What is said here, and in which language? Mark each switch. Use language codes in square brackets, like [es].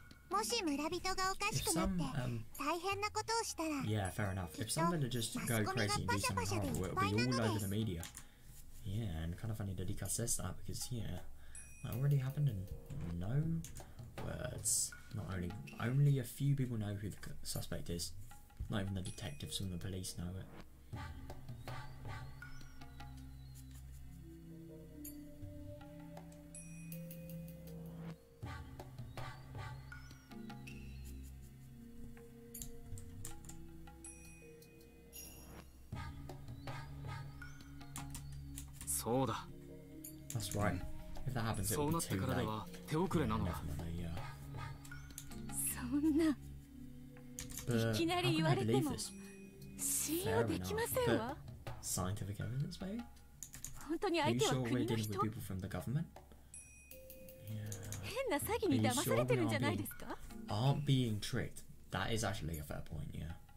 [ja] もし村人がおかしくなって大変なことをしたら、 [en] yeah, fair enough. If some villagers just go crazy and do something horrible, it'll be all over the media. Yeah, and kind of funny that Lika says that because, yeah, that already happened in no words. Not only a few people know who the suspect is. Not even the detectives from the police know it. [ja] そうだ。 [en] That's right. If that happens, it'll be too late. [ja] そうなってからでは手遅れなのだ。そんな。いきなり言われても信用できませんわ。 [en] Scientific evidence, maybe? [ja] 本当に相手は国の人。 [en] Are you sure we're dealing with people from the government? [ja] 変な詐欺に騙されてるんじゃないですか [en] ？Aren't being tricked. That is actually a fair point, yeah.